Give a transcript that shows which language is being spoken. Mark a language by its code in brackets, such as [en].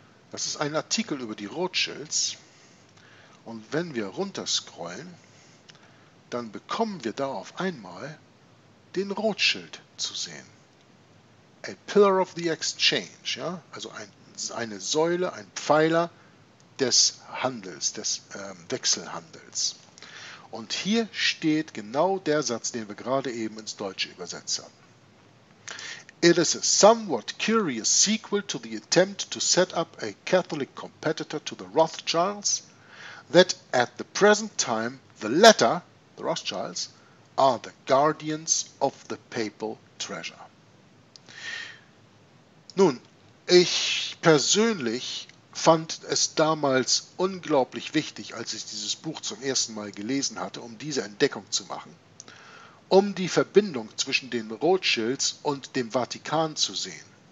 [de] Das ist ein Artikel über die Rothschilds. Und wenn wir runterscrollen, dann bekommen wir da auf einmal den Rothschild zu sehen. [en] A Pillar of the Exchange, [de] ja? Also eine Säule, ein Pfeiler des Handels, des Wechselhandels. Und hier steht genau der Satz, den wir gerade eben ins Deutsche übersetzt haben. [en] It is a somewhat curious sequel to the attempt to set up a Catholic competitor to the Rothschilds, that at the present time the latter, the Rothschilds, are the guardians of the papal treasure. [de] Nun, ich persönlich fand es damals unglaublich wichtig, als ich dieses Buch zum ersten Mal gelesen hatte, um diese Entdeckung zu machen, um die Verbindung zwischen den Rothschilds und dem Vatikan zu sehen.